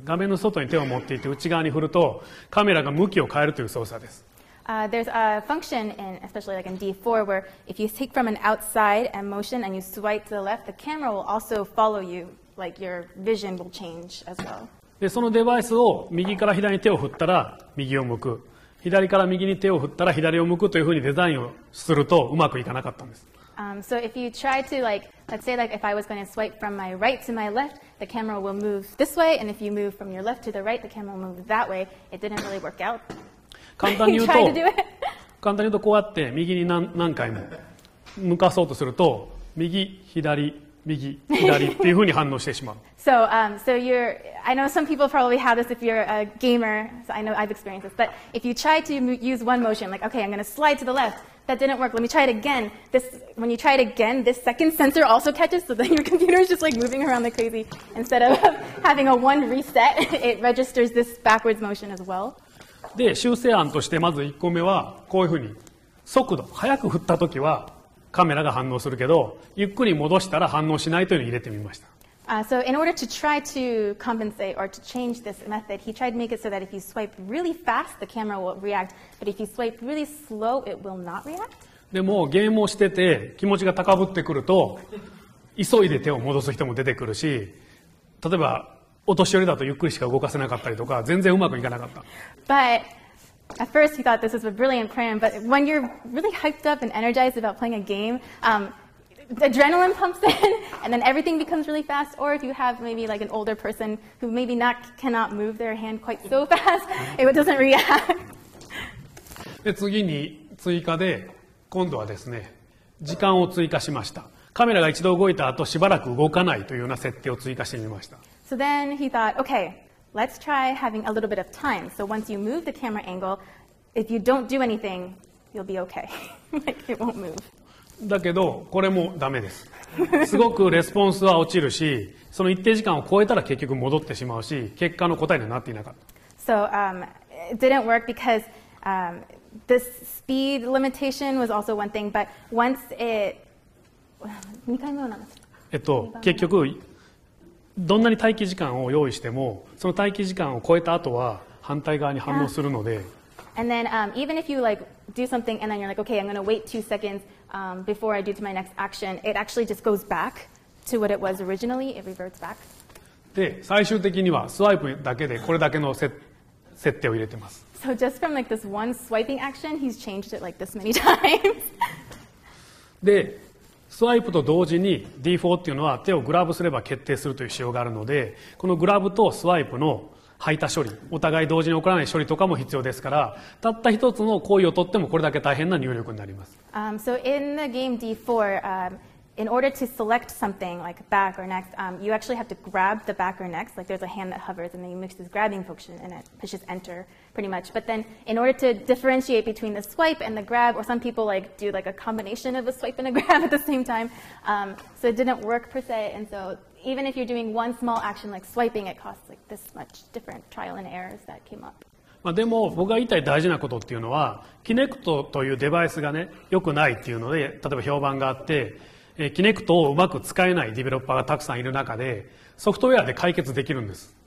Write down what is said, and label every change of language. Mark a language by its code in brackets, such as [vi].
[ja] 画面の外に手を持っていて内側に振ると、カメラが向きを変えるという操作です。 [en] There's a function in, especially like in D4, where if you take from an outside and motion and you swipe to the left, the camera will also follow you, like your vision will change as well. [ja] で、そのデバイスを右から左に手を振ったら右を向く。左から右に手を振ったら左を向くというふうにデザインをするとうまくいかなかったんです。 [en] So if you try to like, let's say like if I was going to swipe from my right to my left, the camera will move this way, and if you move from your left to the right, the camera will move that way. It didn't really work out. [ja] 簡単に言うと、簡単に言うとこうやって右に何回も向かそうとすると、右、左、右、左っていう風に反応してしまう。 [en] So, so you're, I know some people probably have this if you're a gamer. So I know I've experienced this, but if you try to use one motion, like okay, I'm going to slide to the left. That didn't work. Let me try it again. This, when you try it again, this second sensor also catches, so then your computer is just like moving around like crazy. Instead of having a one reset, it registers this backwards motion as well. [ja] で、修正案としてまず1個目はこういうふうに速度、速く振ったときはカメラが反応するけど、ゆっくり戻したら反応しないというのを入れてみました。 [en] So in order to try to compensate or to change this method, he tried to make it so that if you swipe really fast, the camera will react, but if you swipe really slow, it will not react. [ja] でもゲームをしてて気持ちが高ぶってくると急いで手を戻す人も出てくるし、例えばお年寄りだとゆっくりしか動かせなかったりとか、全然うまくいかなかった。 [en] But at first he thought this was a brilliant plan, but when you're really hyped up and energized about playing a game, The adrenaline pumps in, and then everything becomes really fast. Or if you have maybe like an older person who maybe not cannot move their hand quite so fast, it doesn't react. [ja] で次に追加で今度はですね時間を追加しました。カメラが一度動いた後しばらく動かないというような設定を追加してみました。 [en] So then he thought, okay, let's try having a little bit of time. So once you move the camera angle, if you don't do anything, you'll be okay. Like it won't move. [ja] だけどこれもダメです。すごくレスポンスは落ちるし、その一定時間を超えたら結局戻ってしまうし、結果の答えにはなっていなかった。 [en] So, it didn't work because, the speed limitation was also one thing, but once it... [ja] 2回目は何ですか? 結局、どんなに待機時間を用意しても、その待機時間を超えた後は反対側に反応するので。 [en] And then, even if you like, do something and then you're like, okay, I'm going to wait 2 seconds,before I do to my next action, it actually just goes back to what it was originally. It reverts back. [ja] で、最終的にはスワイプだけでこれだけの設定を入れてます。 [en] So just from like this one swiping action, he's changed it like this many times. [ja] で、スワイプと同時に D4 っていうのは手をグラブすれば決定するという仕様があるので、このグラブとスワイプの吐いた処理、お互い同時に起こらない処理とかも必要ですから、たった一つの行為を取ってもこれだけ大変な入力になります。 [en] So in the game D4,In order to select something like back or next, you actually have to grab the back or next. Like there's a hand that hovers and then you mix this grabbing function and it pushes enter pretty much. But then in order to differentiate between the swipe and the grab, or some people like do like a combination of a swipe and a grab at the same time, so it didn't work per se. And so even if you're doing one small action like swiping, it costs like this much different trial and errors that came up. [ja] まあ、でも僕が言いたい大事なことっていうのは、Kinect というデバイスがね、良くないっていうので、例えば評判があって、キネクトをうまく使えないディベロッパーがたくさんいる中で、ソフトウェアで解決できるんです。